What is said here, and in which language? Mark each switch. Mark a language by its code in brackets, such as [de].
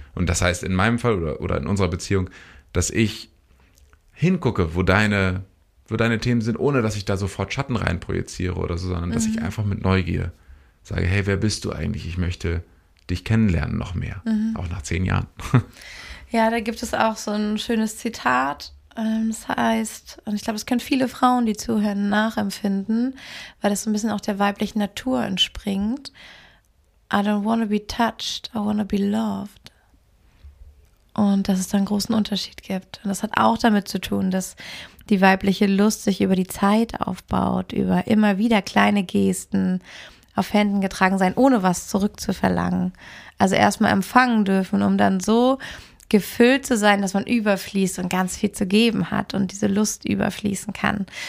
[de] Und das heißt in meinem Fall oder in unserer Beziehung, dass ich hingucke, wo deine Themen sind, ohne dass ich da sofort Schatten reinprojiziere oder so, sondern dass ich einfach mit Neugier sage, hey, wer bist du eigentlich? Ich möchte dich kennenlernen noch mehr, auch nach 10 Jahren. Ja, da gibt es auch so ein schönes Zitat, das heißt, und ich glaube, das können viele Frauen, die zuhören, nachempfinden, weil das so ein bisschen auch der weiblichen Natur entspringt. [en] I don't want to be touched, I want to be loved. [de] Und dass es da einen großen Unterschied gibt. Und das hat auch damit zu tun, dass die weibliche Lust sich über die Zeit aufbaut, über immer wieder kleine Gesten, auf Händen getragen sein, ohne was zurückzuverlangen. Also erstmal empfangen dürfen, um dann so gefüllt zu sein, dass man überfließt und ganz viel zu geben hat und diese Lust überfließen kann.